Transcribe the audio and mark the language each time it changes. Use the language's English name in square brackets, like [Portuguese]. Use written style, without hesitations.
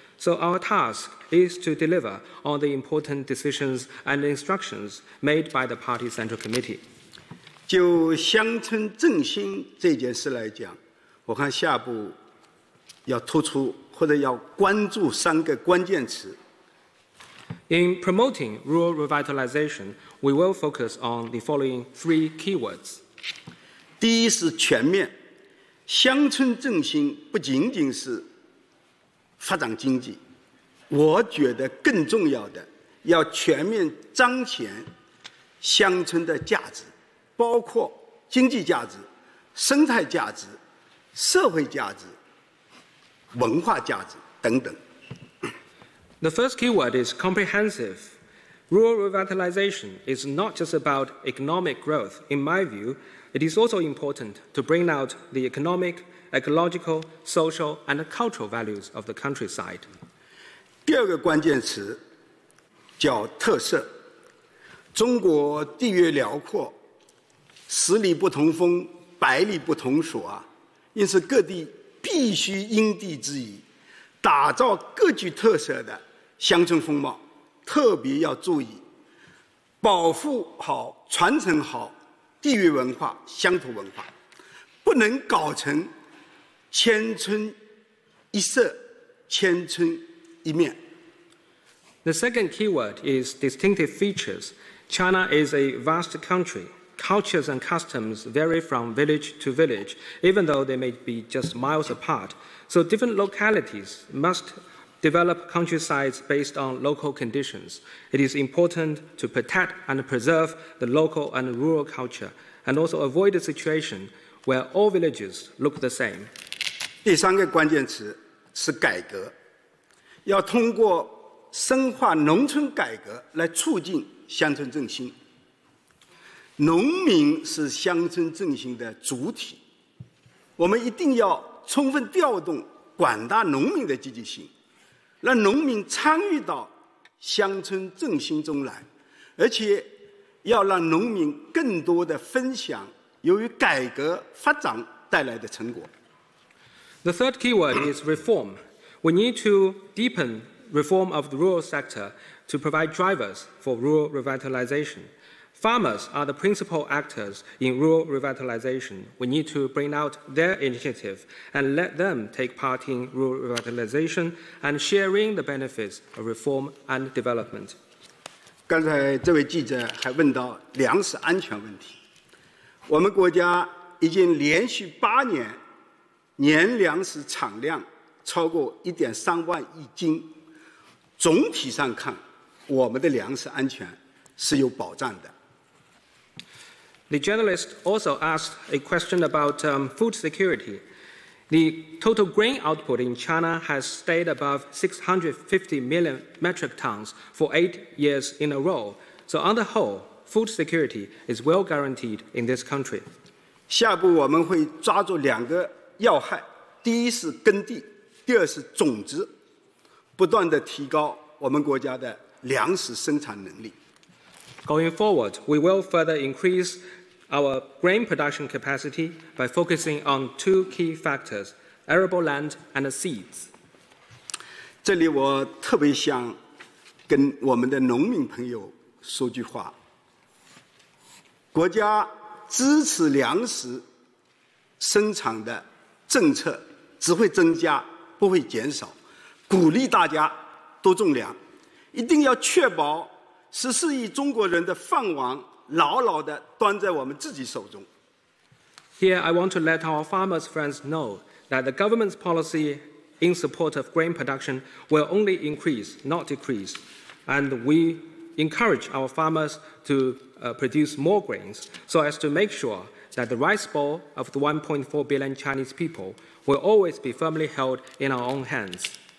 [English] So our task is to deliver on the important decisions and instructions made by the Party Central Committee. [Chinese] 就乡村振兴这件事来讲，我看下步要突出或者要关注三个关键词。 [English] In promoting rural revitalization, we will focus on the following three keywords. [Chinese] 第一是全面，乡村振兴不仅仅是发展经济，我觉得更重要的要全面彰显乡村的价值，包括经济价值、生态价值、社会价值、文化价值等等。 [English] The first keyword is comprehensive. Rural revitalization is not just about economic growth. In my view, it is also important to bring out the economic, ecological, social, and cultural values of the countryside. [Chinese] 第二个关键词叫特色。中国地域辽阔，十里不同风，百里不同俗啊，因此各地必须因地制宜，打造各具特色的乡村风貌，特别要注意保护好、传承好地域文化、乡土文化，不能搞成千村一色、千村一面。 [English] The second keyword is distinctive features. China is a vast country. Cultures and customs vary from village to village, even though they may be just miles apart. So different localities must develop countrysides based on local conditions. It is important to protect and preserve the local and rural culture, and also avoid a situation where all villages look the same. [Chinese] 第三个关键词是改革，要通过深化农村改革来促进乡村振兴。农民是乡村振兴的主体，我们一定要充分调动广大农民的积极性，让农民参与到乡村振兴中来，而且要让农民更多的分享由于改革发展带来的成果。 [English] The third keyword is reform. We need to deepen reform of the rural sector to provide drivers for rural revitalization. Farmers are the principal actors in rural revitalization. We need to bring out their initiative and let them take part in rural revitalization and sharing the benefits of reform and development. [Chinese] 刚才这位记者还问到粮食安全问题。我们国家已经连续八年年粮食产量超过 1.3 万亿斤，总体上看，我们的粮食安全是有保障的。 [English] The journalist also asked a question about food security. The total grain output in China has stayed above 650 million metric tons for 8 years in a row. So on the whole, food security is well guaranteed in this country. [Chinese] 下步我们会抓住两个要害，第一是耕地，第二是种植，不断地提高我们国家的粮食生产能力。 [English] Going forward, we will further increase our grain production capacity by focusing on two key factors, arable land and seeds. [Chinese] 这里我特别想跟我们的农民朋友说句话。国家支持粮食生产的政策只会增加，不会减少。鼓励大家多种粮，一定要确保14亿中国人的饭碗牢牢地端在我们自己手中。 [English] Here I want to let our farmers' friends know that the government's policy in support of grain production will only increase, not decrease, and we encourage our farmers to produce more grains so as to make sure. That the rice bowl of the 1.4 billion Chinese people will always be firmly held in our own hands.